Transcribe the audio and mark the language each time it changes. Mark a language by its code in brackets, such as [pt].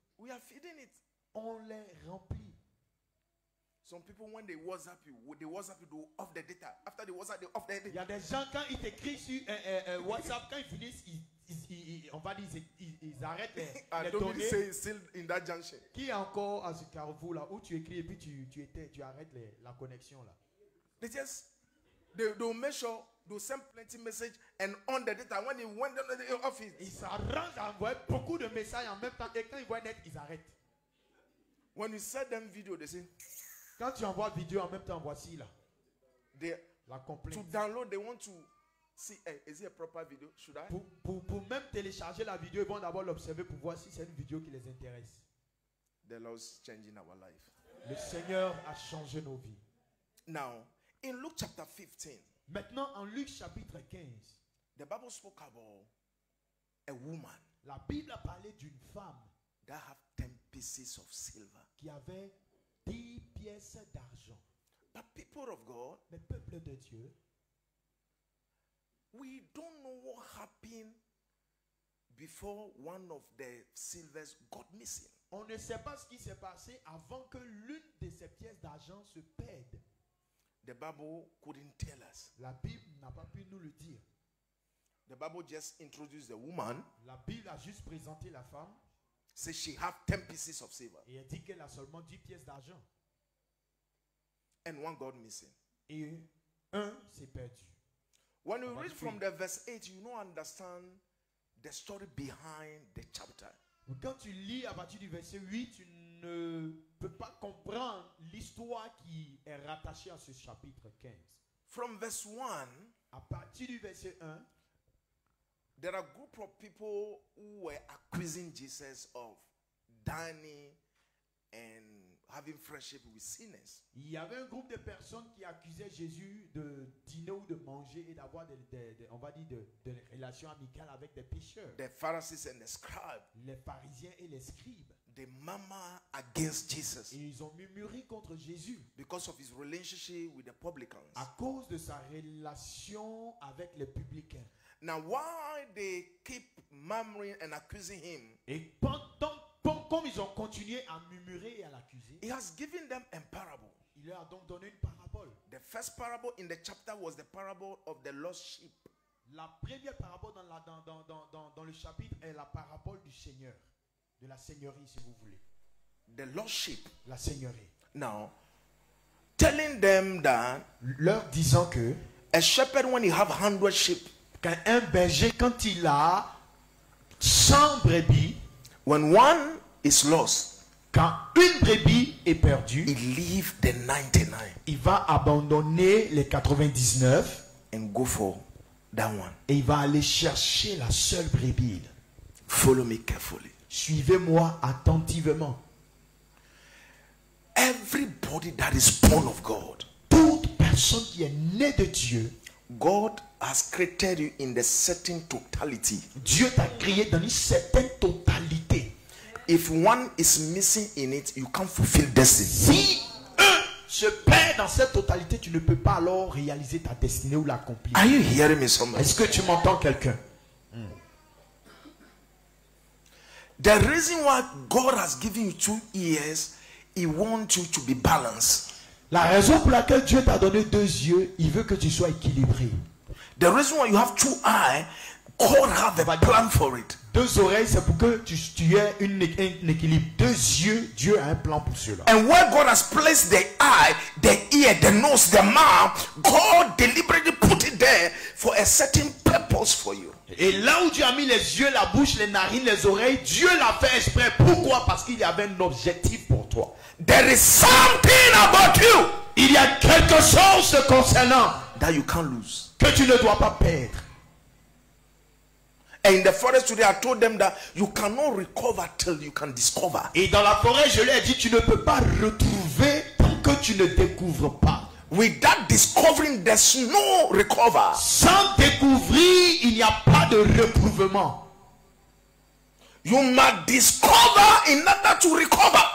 [en] We are feeding it. [fr] On les remplit. [en] Some people, when they WhatsApp you, they WhatsApp you, they off the data. After they WhatsApp, they off the data. [fr] Il y a des gens, quand ils t'écrivent sur WhatsApp, quand ils finissent, ils arrêtent les données. [en] Don't really say it's still in that junction. [fr] Qui est encore à ce carrefour là où tu écris et puis tu arrêtes la connexion là? [en] They just, they'll make sure, they'll send plenty of messages and on the data. When they went to the office, [fr] ils s'arrangent à envoyer beaucoup de messages en même temps et quand ils voient net, ils arrêtent. [en] When you send them video, they say, [fr] quand tu envoies vidéo en même temps, voici là. La complainte. [en] To download, they want to see, is it a proper video? Should I? [fr] Pour même télécharger la vidéo, ils vont d'abord l'observer pour voir si c'est une vidéo qui les intéresse. [en] The Lord's changing our life. [fr] Le Seigneur a changé nos vies. [en] Now, in Luke chapter 15. [fr] Maintenant, en Luc chapitre 15. [en] The Bible spoke about a woman. [fr] La Bible a parlé d'une femme. [en] That have 10 pieces of silver. [fr] Qui avait 10 pièces d'argent. [en] But people of God, [fr] le peuple de Dieu, [en] we don't know what happened before one of the silvers got missing. [fr] On ne sait pas ce qui s'est passé avant que l'une de ces pièces d'argent se perde. [en] The Bible couldn't tell us. [fr] La Bible n'a pas pu nous le dire. [en] The Bible just introduced the woman. [fr] La Bible a juste présenté la femme. [en] Say she have 10 pieces of silver. [fr] Et elle dit qu'elle a seulement 10 pièces d'argent. [en] And one got missing. [fr] Et un s'est perdu. [en] When you read from the verse 8, you don't understand the story behind the chapter. [fr] Quand tu lis à partir du verset 8, tu ne peux pas comprendre l'histoire qui est rattachée à ce chapitre 15. [en] From verse 1, [fr] à partir du verset 1, [en] there are a group of people who were accusing Jesus of dining and having friendship with sinners. [fr] Il y avait un groupe de personnes qui accusaient Jésus de dîner ou de manger et d'avoir des relations amicales avec des pécheurs. [en] The Pharisees and the scribes. [fr] Les pharisiens et les scribes. [en] They murmured against Jesus. [fr] Et ils ont murmuré contre Jésus. [en] Because of his relationship with the publicans. [fr] À cause de sa relation avec les publicains. [en] Now, why they keep murmuring and accusing him? [fr] Et pendant comme ils ont continué à murmurer et à l'accuser, [en] he has given them a parable. [fr] Il leur a donc donné une parabole. [en] The first parable in the chapter was the parable of the lost sheep. [fr] La première parabole dans le chapitre est la parabole du Seigneur, de la Seigneurie, si vous voulez. [en] The lordship, [fr] la Seigneurie. [en] Now, telling them that, [fr] leur disant que, [en] a shepherd when he have 100 sheep, [fr] qu'un berger quand il a 100 brebis, [en] when one is lost, [fr] quand une brebis est perdue, [en] he leave the 99, [fr] il va abandonner les 99, [en] and go for that one. [fr] Et il va aller chercher la seule brebis. [en] Follow me carefully. [fr] Suivez-moi attentivement. [en] Everybody that is born of God. [fr] Toute personne qui est née de Dieu. [en] God has created you in a certain totality. [fr] Dieu t'a créé dans une certaine totalité. [en] If one is missing in it, you can't fulfill destiny. [fr] Si un se perd dans cette totalité, tu ne peux pas alors réaliser ta destinée ou l'accomplir. [en] Are you hearing me somebody? [fr] Est-ce que tu m'entends quelqu'un? [en] The reason why God has given you 2 ears, he wants you to be balanced. [fr] La raison pour laquelle Dieu t'a donné 2 yeux, il veut que tu sois équilibré. [en] The reason why you have 2 eyes, God have a plan for it. [fr] 2 oreilles, c'est pour que tu aies un équilibre. 2 yeux, Dieu a un plan pour cela. [en] And where God has placed the eye, the ear, the nose, the mouth, God deliberately put it there for a certain purpose for you. [fr] Et là où Dieu a mis les yeux, la bouche, les narines, les oreilles, Dieu l'a fait exprès. Pourquoi? Parce qu'il y avait un objectif pour toi. [en] There is something about you. [fr] Il y a quelque chose te concernant. [en] That you can't lose. [fr] Que tu ne dois pas perdre. [en] And in the forest today, I told them that you cannot recover till you can discover. [fr] Et dans la forêt, je leur ai dit, tu ne peux pas retrouver tant que tu ne découvres pas. [en] Without discovering, there's no recover. [fr] Sans découvrir, il n'y a pas de retrouvement. [en] You must discover in order to recover.